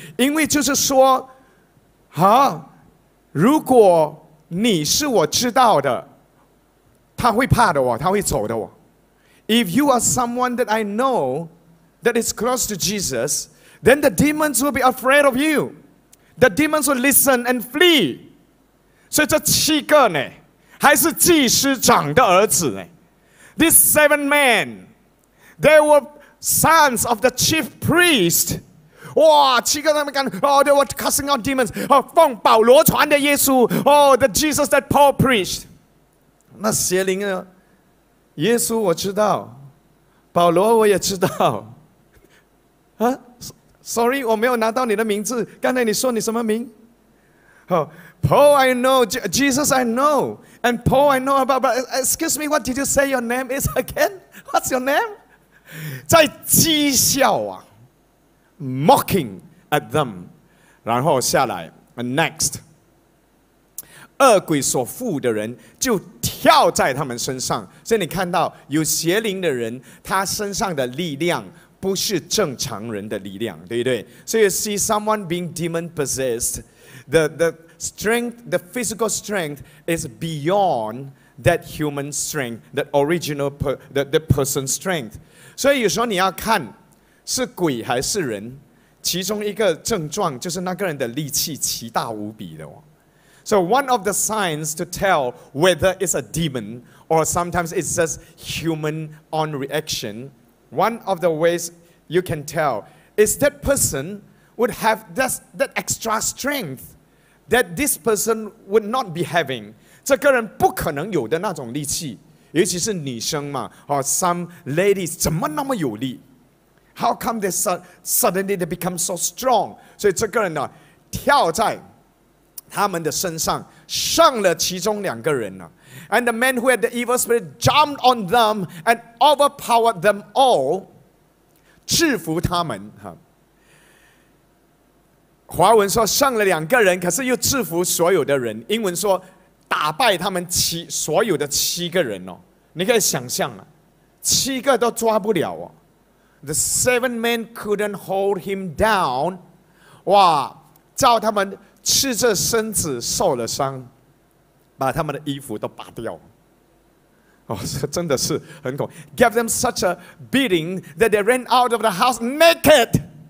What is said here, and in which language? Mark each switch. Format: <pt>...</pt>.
<zh>因为就是说，如果你是我知道的，他会怕的我，他会走的我。</zh> <en>If you are someone that I know that is close to Jesus, then the demons will be afraid of you. The demons will listen and flee.</en> <zh>所以这七个呢，还是祭司长的儿子呢。</zh> <en>These seven men, they were sons of the chief priest.</en> <zh>哇，七个他们敢</zh> <en>，Oh, they were casting out demons.</en> <zh>哦，奉保罗传的耶稣。</zh> <en>Oh, the Jesus that Paul preached.</en> <zh>那邪灵呢？耶稣我知道，保罗我也知道。</zh> <en>Sorry,</en> <zh>我没有拿到你的名字。刚才你说你什么名？</zh> <en>Paul, I know. Jesus, I know. And Paul, I know about. But excuse me, what did you say your name is again? What's your name?</en> <zh>在讥笑啊</zh> <en>mocking at them.</en> <zh>然后下来</zh> <en>next.</en> <zh>恶鬼所附的人就跳在他们身上。所以你看到有邪灵的人，他身上的力量不是正常人的力量，对不对？</zh> <en>So you see someone being demon possessed, the strength, the physical strength is beyond that human strength, that original the person's strength.</en> <zh>所以有时候你要看是鬼还是人，其中一个症状就是那个人的力气奇大无比的。</zh> <en>So one of the signs to tell whether it's a demon or sometimes it's just human on reaction, one of the ways you can tell is that person would have that extra strength. That this person would not be having.</en> <zh>这个人不可能有的那种力气，尤其是女生嘛。</zh> <en>Some ladies</en> <zh>怎么那么有力？</zh> <en>How come they suddenly they become so strong?</en> <zh>所以这个人呢，跳在他们的身上，上了其中两个人呢。</zh> <en>And the man who had the evil spirit jumped on them and overpowered them all,</en> <zh>制服他们。华文说上了两个人，可是又制服所有的人。英文说打败他们所有的七个人哦。你可以想象啊，七个都抓不了哦。</zh> <en>The seven men couldn't hold him down.</en> <zh>哇，叫他们赤着身子受了伤，把他们的衣服都拔掉。哦，这真的是很恐怖。</zh> <en>Gave them such a beating that they ran out of the house naked.</en>